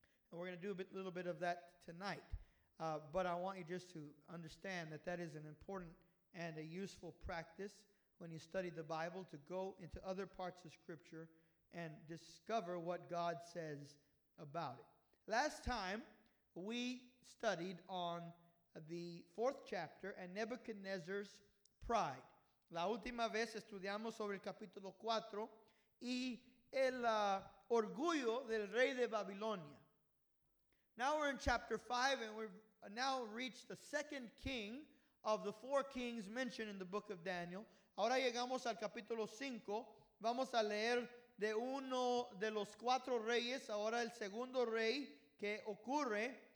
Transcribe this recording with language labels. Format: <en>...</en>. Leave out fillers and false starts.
<en>And we're going to do a little bit of that tonight. But I want you just to understand that that is an important and a useful practice when you study the Bible, to go into other parts of Scripture and discover what God says about it. Last time, we studied on the fourth chapter and Nebuchadnezzar's pride.</en> <es>La última vez estudiamos sobre el capítulo 4 y el orgullo del rey de Babilonia.</es> <en>Now we're in chapter 5 and we've now reached the second king of the four kings mentioned in the book of Daniel.</en> <es>Ahora llegamos al capítulo 5. Vamos a leer de uno de los cuatro reyes, ahora el segundo rey que ocurre</es>